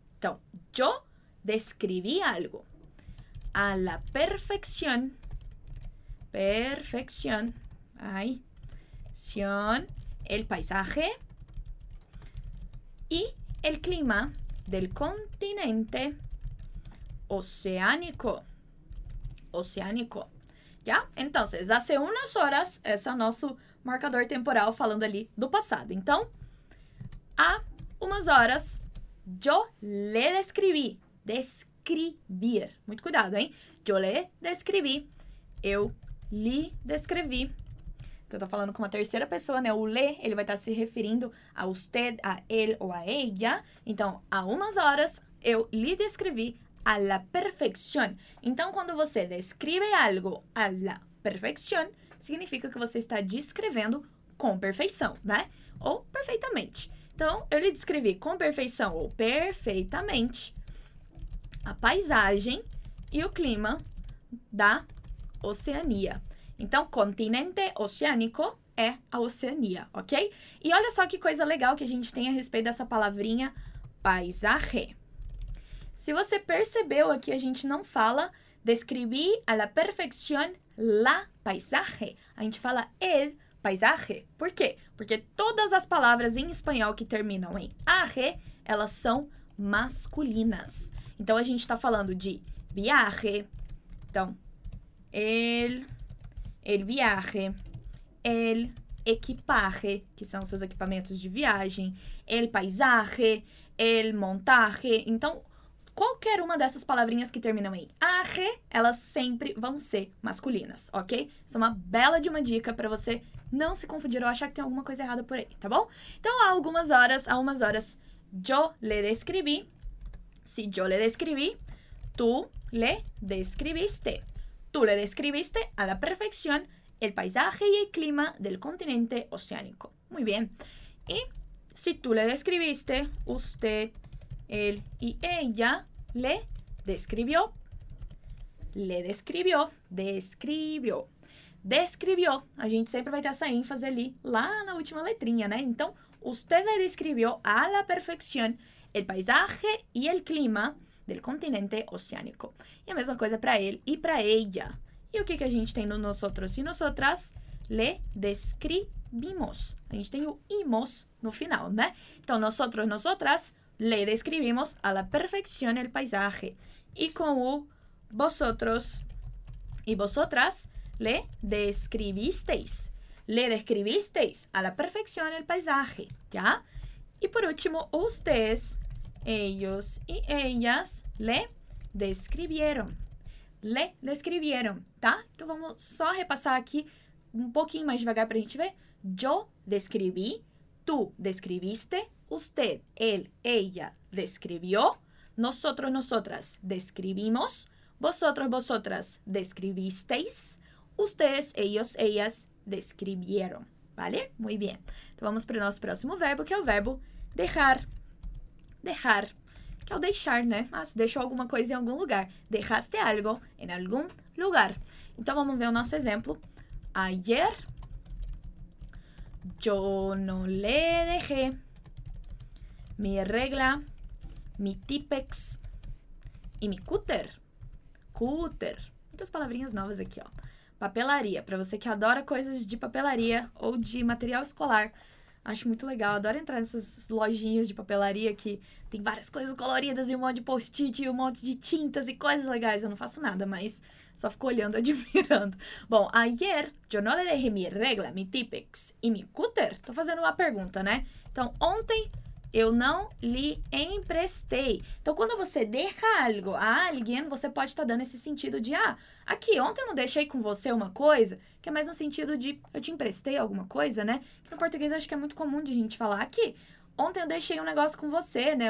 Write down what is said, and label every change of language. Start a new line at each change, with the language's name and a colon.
Spanish: Então, yo describí algo a la perfección, perfección, ay, sion, el paisaje y el clima del continente oceánico, oceánico, ¿ya?
Portuguese: Entonces,
Spanish: hace unas horas,
Portuguese: esse é o nosso marcador temporal falando ali do passado. Então, há umas horas,
Spanish: yo le describí,
Portuguese: describir, muito cuidado, hein?
Spanish: Yo le describí,
Portuguese: eu lhe descrevi, que eu tô falando com uma terceira pessoa, né? O le, ele vai estar se referindo a usted, a él ou a ella. Então, há umas horas, eu lhe descrevi a la perfección. Então, quando você descreve algo a la perfección, significa que você está descrevendo com perfeição, né? Ou perfeitamente. Então, eu lhe descrevi com perfeição ou perfeitamente a paisagem e o clima da Oceania. Então, continente oceânico é a Oceania, ok? E olha só que coisa legal que a gente tem a respeito dessa palavrinha paisaje. Se você percebeu aqui, a gente não fala
Spanish: Describí a la perfección la paisaje.
Portuguese: A gente fala el paisaje. Por quê? Porque todas as palavras em espanhol que terminam em aje, elas são masculinas. Então, a gente está falando de viaje. Então, el viaje, el equipaje, que são seus equipamentos de viagem, el paisaje, el montaje. Então, qualquer uma dessas palavrinhas que terminam em aje, elas sempre vão ser masculinas, ok? Isso é uma bela de uma dica para você não se confundir ou achar que tem alguma coisa errada por aí, tá bom? Então, há umas horas,
Spanish: yo le describí. Si yo le describí, tú le describiste. Tú le describiste a la perfección el paisaje y el clima del continente oceánico. Muy bien. Y si tú le describiste, usted, él y ella le describió. Le describió. Describió. Describió.
Portuguese: A gente sempre vai ter essa ênfase ali, lá na última letrinha, né?
Spanish: Então, usted le describió a la perfección el paisaje y el clima del continente oceánico.
Portuguese: E a mesma coisa
Spanish: para él y para ella.
Portuguese: E o que, que a gente tem no nosotros y nosotras?
Spanish: Le describimos.
Portuguese: A gente tem o imos no final, né?
Spanish: Então, nosotros, nosotras, le describimos a la perfección el paisaje. E com o vosotros y vosotras, le describisteis. Le describisteis a la perfección el paisaje, ¿ya? Y por último, ustedes, ellos y ellas, le describieron. Le describieron, ¿tá?
Portuguese: Então vamos só repassar aqui um pouquinho mais devagar pra gente ver.
Spanish: Yo describí, tú describiste, usted, él, ella describió, nosotros, nosotras describimos, vosotros, vosotras describisteis, ustedes, ellos, ellas describieron, ¿vale? Muy bien.
Portuguese: Então vamos para o nosso próximo verbo, que é o verbo dejar. Dejar, que é o deixar, né? Ah, deixou alguma coisa em algum lugar.
Spanish: Dejaste algo en algún lugar.
Portuguese: Então vamos ver o nosso exemplo.
Spanish: Ayer yo no le dejé mi regla, mi tipex y mi cúter.
Portuguese: Cúter. Muitas palavrinhas novas aqui, ó. Papelaria, para você que adora coisas de papelaria ou de material escolar. Acho muito legal, adoro entrar nessas lojinhas de papelaria que tem várias coisas coloridas e um monte de post-it e um monte de tintas e coisas legais. Eu não faço nada, mas só fico olhando, admirando.
Spanish: Bom, ayer yo no le dejé mi regla, mi tipex y mi cúter.
Portuguese: Tô fazendo uma pergunta, né? Então, ontem eu não lhe emprestei. Então, quando você deixa algo a alguém, você pode estar dando esse sentido de, ah, aqui, ontem eu não deixei com você uma coisa, que é mais no sentido de, eu te emprestei alguma coisa, né? No português, eu acho que é muito comum de a gente falar, aqui, ontem eu deixei um negócio com você, né?